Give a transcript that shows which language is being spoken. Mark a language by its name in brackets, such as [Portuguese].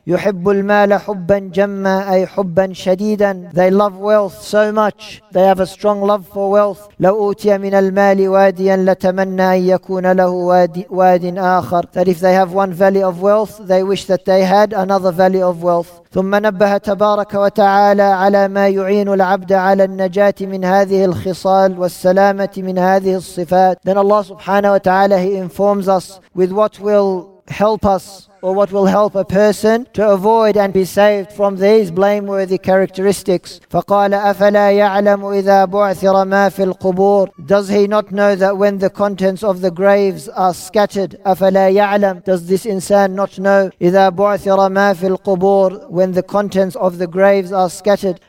[Arabic] يُحِبُّ الْمَالَ حُبًّا جَمَّا, أي حُبًّا شَدِيدًا, [English] they love wealth so much, they have a strong love for wealth. [Arabic] لَوْ أُوتِيَ مِنَ الْمَالِ وَادِيًا لَتَمَنَّى أَن يَكُونَ لَهُ وَادٍ آخر, [English] that if they have one valley of wealth, they wish that they had another valley of wealth. [Arabic] ثم نبه تبارك وتعالى على ما يعين العبد على النجاة من هذه الخصال والسلامة من هذه الصفات. [English] Then Allah subhanahu wa ta'ala, he informs us with what will help us or what will help a person to avoid and be saved from these blameworthy characteristics. [Arabic] فَقَالَ أَفَلَا يَعْلَمُ إِذَا بُعْثِرَ مَا فِي الْقُبُورِ, [English] does he not know that when the contents of the graves are scattered, [Arabic] أَفَلَا يَعْلَمُ, [English] does this insan not know, [Arabic] إِذَا بُعْثِرَ مَا فِي الْقُبُورِ, [English] when the contents of the graves are scattered.